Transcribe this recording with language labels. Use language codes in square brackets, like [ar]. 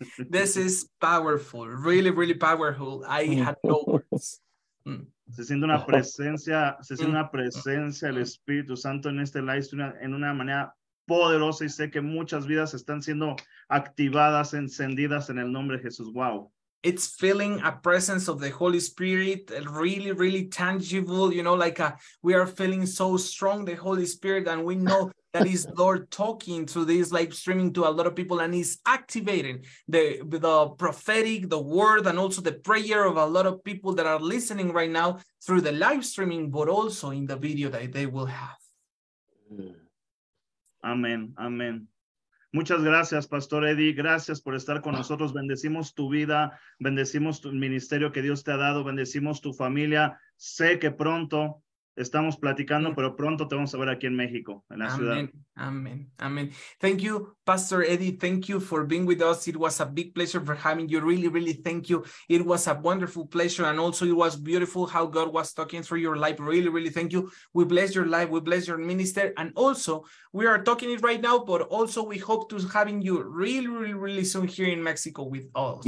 [en] This is powerful. Really, really powerful. I had no words. [es] Se siente una presencia del Espíritu Santo en este live stream en una manera poderosa, y sé que muchas vidas están siendo activadas, encendidas en el nombre de Jesús. [en] Wow. It's feeling a presence of the Holy Spirit, really, really tangible, you know, like we are feeling so strong the Holy Spirit, and we know that is Lord talking through this live streaming to a lot of people, and is activating the prophetic, the word, and also the prayer of a lot of people that are listening right now through the live streaming, but also in the video that they will have. [es] Amén, amén. Muchas gracias, Pastor Eddie. Gracias por estar con nosotros. Bendecimos tu vida, bendecimos tu ministerio que Dios te ha dado, bendecimos tu familia. Sé que pronto estamos platicando, pero pronto te vamos a ver aquí en México, en la ciudad. [en] Amen. Amen. Thank you, Pastor Eddie. Thank you for being with us. It was a big pleasure for having you. Really, really thank you. It was a wonderful pleasure. And also it was beautiful how God was talking through your life. Really, really thank you. We bless your life. We bless your minister. And also we are talking it right now, but also we hope to having you really, really, really soon here in Mexico with us.